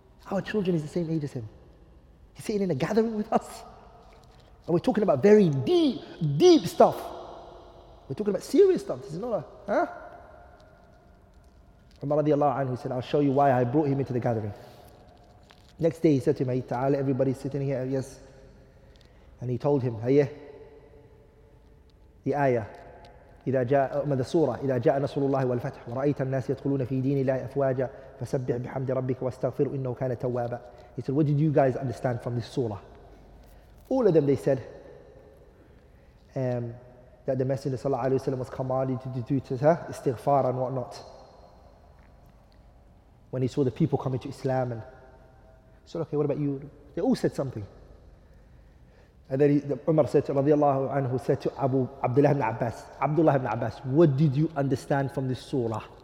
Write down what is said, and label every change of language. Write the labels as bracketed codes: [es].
[en] Our children is the same age as him. He's sitting in a gathering with us. And we're talking about very deep stuff. We're talking about serious stuff. This is not a, Umar radiallahu anhu said, I'll show you why I brought him into the gathering. Next day he said to him, Ayyid Ta'ala, everybody's sitting here, yes. And he told him, Hayyah, the ayah, [ar] إذا جاء من السورة إذا جاء نصر الله والفتح ورأيت الناس يدخلون في دين الله أفواجا فسبح بحمد ربك واستغفر إنه كان توابا. [en] He said, what did you guys understand from this surah? All of them, they said that the Messenger [ar] صلى الله عليه وسلم [en] was commanded to do istighfar and whatnot when he saw the people coming to Islam. And so, okay, what about you? They all said something. And then Umar said to, radiallahu anhu, said to Abdullah ibn Abbas, what did you understand from this surah?